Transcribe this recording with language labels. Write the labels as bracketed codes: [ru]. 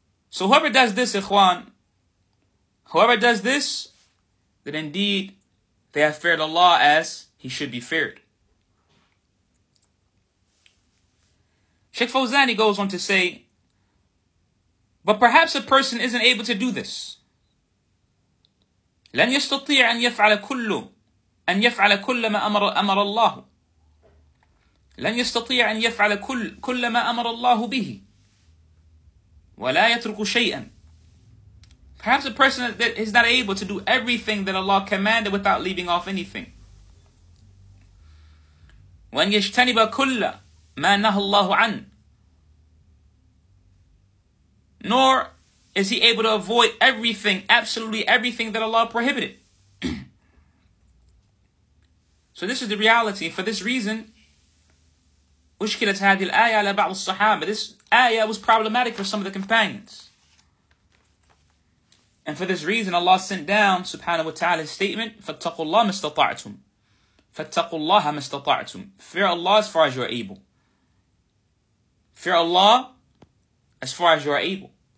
[en] So whoever does this, ikhwan, whoever does this, then indeed they have feared Allah as he should be feared. Sheikh Fawzani goes on to say, but perhaps a person isn't able to do this. [ar] لن يستطيع أن يفعل كله. أن يفعل كل ما أمر الله لن يستطيع أن يفعل كل ما أمر الله به ولا يترك شيئا. [en] Perhaps a person that is not able to do everything that Allah commanded without leaving off anything. [ar] وأن يجتنب كل ما نهى الله عن. [en] Nor is he able to avoid everything, absolutely everything that Allah prohibited. So this is the reality. For this reason, [ar] أُشْكِلَتْ هَذِي الْآيَةَ عَلَى بَعْضِ الصَّحَابَةِ. [en] This ayah was problematic for some of the companions. And for this reason, Allah sent down, subhanahu wa ta'ala, His statement, [ar] فَاتَّقُوا اللَّهَ مَا اسْتَطَعْتُمْ. فَاتَّقُوا اللَّهَ مَا اسْتَطَعْتُمْ. [en] Fear Allah as far as you are able. Fear Allah as far as you are able.